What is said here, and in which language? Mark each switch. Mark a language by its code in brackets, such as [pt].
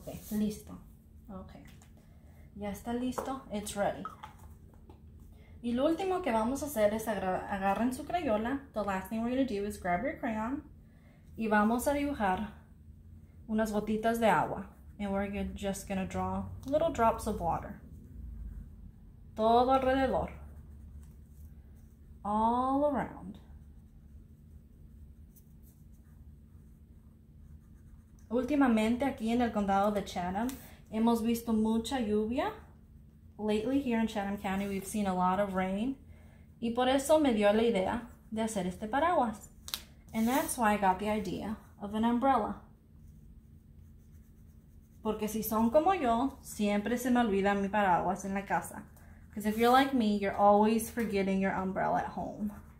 [es] Listo. Okay. Ya está listo. [en] It's ready. [es] Y lo último que vamos a hacer es agarren su crayola. [en] The last thing we're going to do is grab your crayon. [es] Y vamos a dibujar unas gotitas de agua. [en] And we're just going to draw little drops of water. [es] Todo alrededor. [en] All around. [es] Últimamente aquí en el condado de Chatham hemos visto mucha lluvia. [en] Lately here in Chatham County we've seen a lot of rain. [es] Y por eso me dio la idea de hacer este paraguas. [en] And that's why I got the idea of an umbrella. [es] Porque si son como yo, siempre se me olvida mi paraguas en la casa. [en] Because if you're like me, you're always forgetting your umbrella at home.